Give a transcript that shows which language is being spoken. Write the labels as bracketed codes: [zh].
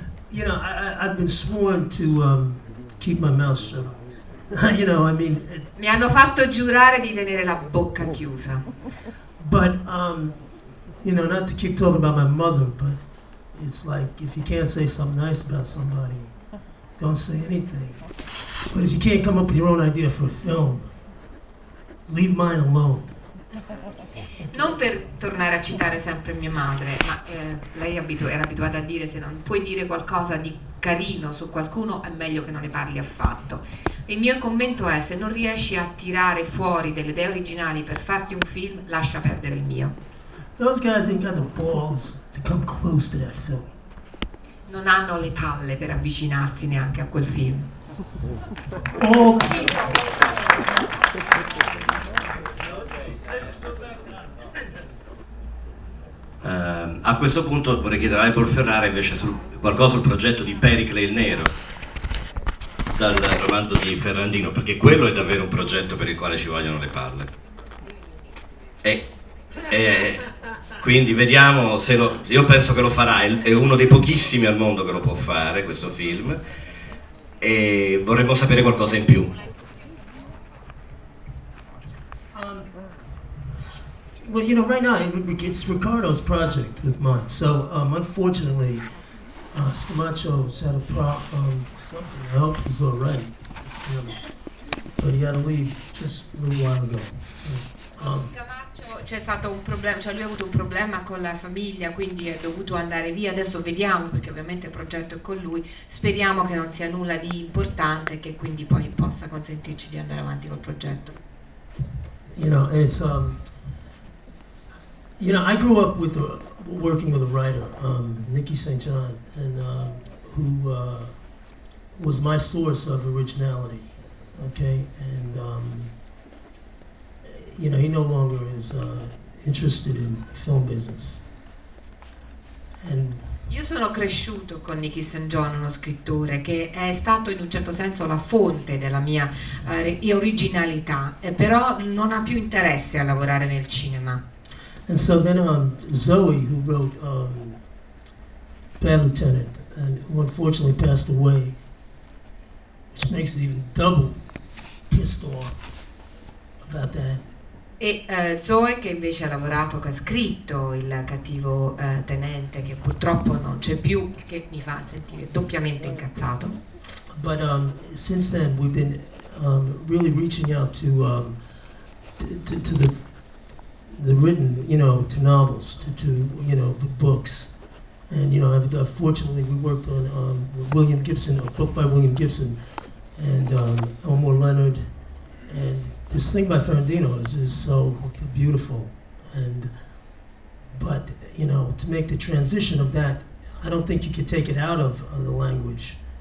[en] You know, I've been sworn to keep my mouth shut. You know, I mean. [it] Mi hanno fatto giurare di tenere la bocca chiusa. [en] But you know, not to keep talking about my mother, but it's like if you can't say something nice about somebody, don't say anything. But if you can't come up with your own idea for a film, leave mine alone. [it] Non per tornare a citare sempre mia madre, ma lei era abituata a dire: se non puoi dire qualcosa di carino su qualcuno è meglio che non ne parli affatto. Il mio commento è: se non riesci a tirare fuori delle idee originali per farti un film, lascia perdere il mio. [en] Those guys ain't got the balls to come close to that film. [it] Non hanno le palle per avvicinarsi neanche a quel film. A questo punto vorrei chiedere a Paul Ferrara invece qualcosa sul progetto di Pericle il Nero, dal romanzo di Ferrandino, perché quello è davvero un progetto per il quale ci vogliono le palle. Quindi vediamo se io penso che lo farà, è uno dei pochissimi al mondo che lo può fare questo film, e vorremmo sapere qualcosa in più. [en] Well, you know, right now it's Ricardo's project with mine. So, unfortunately, Scamacho's had a problem. Something. I hope he's all right. But he had to leave just a little while ago. [it] Scamacho, c'è stato un problema. Cioè, lui ha avuto un problema con la famiglia, quindi è dovuto andare via. Adesso vediamo, perché ovviamente il progetto è con lui. Speriamo che non sia nulla di importante, che quindi poi possa consentirci di andare avanti col progetto. [en] You know, and it's you know, I grew up with working with a writer, Nikki St. John, and who was my source of originality. Okay, and you know, he no longer is interested in the film business. And [it] io sono cresciuto con Nikki St. John, uno scrittore che è stato in un certo senso la fonte della mia originalità, però non ha più interesse a lavorare nel cinema. [en] And so then Zoe, who wrote Bad Lieutenant, and who unfortunately passed away, which makes it even double pissed off about that. [it] E Zoe, che invece ha lavorato, che ha scritto Il Cattivo Tenente, che purtroppo non c'è più, che mi fa sentire doppiamente incazzato. [en] But since then we've been really reaching out to the written, you know, to novels, to you know, the books, and you know, fortunately we worked on William Gibson, a book by William Gibson, and Elmore Leonard, and this thing by Ferrandino is so beautiful, and but you know, to make the transition of that, I don't think you could take it out of the language.